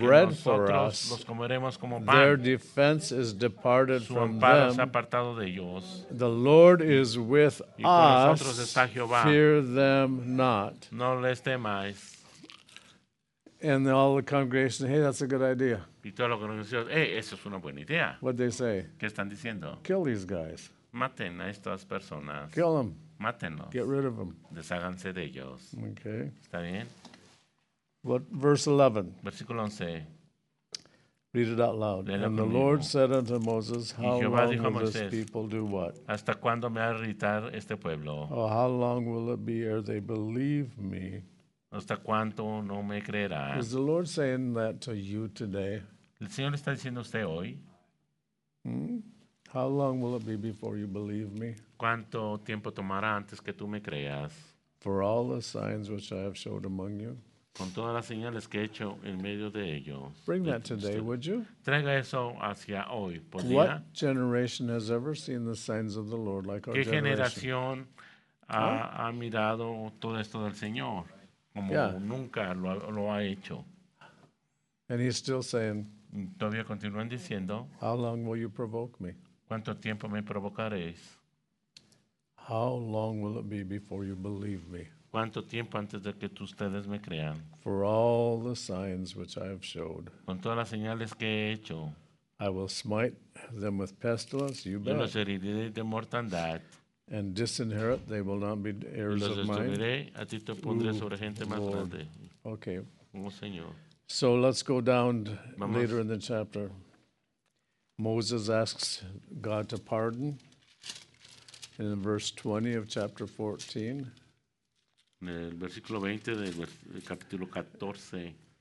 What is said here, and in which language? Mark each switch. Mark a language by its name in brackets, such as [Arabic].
[English] bread for us. [Spanish] Los comeremos como pan. [English] Their defense is departed [Spanish] su [English] from them. [Spanish] Se ha apartado de ellos. [English] The Lord is with [Spanish] y con [English] us. [Spanish] Nosotros está Jehová. [English] Fear them not. [Spanish] No les temáis. [English] And all the congregation, hey, that's a good idea. [Spanish] Y toda la congregación, hey, eso es una buena idea. [English] What they say? [Spanish] ¿Qué están diciendo? [English] Kill these guys. [Spanish] Maten a estas personas. [English] Kill them. [Spanish] Mátenlos. [English] Get rid of them. [Spanish] Desháganse de ellos. [English] Okay. [Spanish] ¿Está bien? [English] What verse 11? [Spanish] Versículo 11. [English] Read it out loud. And the Lord said unto Moses, how long will this people do what? [Spanish] ¿Hasta cuándo me va a irritar este pueblo? [English] Oh, how long will it be ere they believe me? [Spanish] ¿Hasta cuánto no me creerán? [English] Is the Lord saying that to you today? [Spanish] ¿El Señor está diciendo a usted hoy? [English] How long will it be before you believe me? [Spanish] ¿Cuánto tiempo tomará antes que tú me creas? [English] For all the signs which I have showed among you. [Spanish] Con todas las señales que he hecho en medio de ellos. [English] Bring that today, would you? [Spanish] Traiga eso hacia hoy, ¿podría? [English] What generation has ever seen the signs of the Lord like our [Spanish] generation? ¿Qué generación ha mirado todo esto del Señor como nunca lo ha hecho? [English] And he's still saying, [Spanish] todavía continúan diciendo, [English] how long will you provoke me? [Spanish] ¿Cuánto tiempo me provocaréis? [English] How long will it be before you believe me? [Spanish] ¿Cuánto tiempo antes de que ustedes me crean? [English] For all the signs which I have showed. [Spanish] Con todas las señales que he hecho. [English] I will smite them with pestilence, you bet. [Spanish] Yo los heriré de mortandad. [English] And disinherit, they will not be heirs [Spanish] los [English] of mine. [Spanish] A ti te pondré sobre gente más grande. [English] Okay. [Spanish] Oh, señor. [English] So let's go down later in the chapter. Moses asks God to pardon in verse 20 of chapter 14. [Spanish] En el versículo 20 del capítulo 14.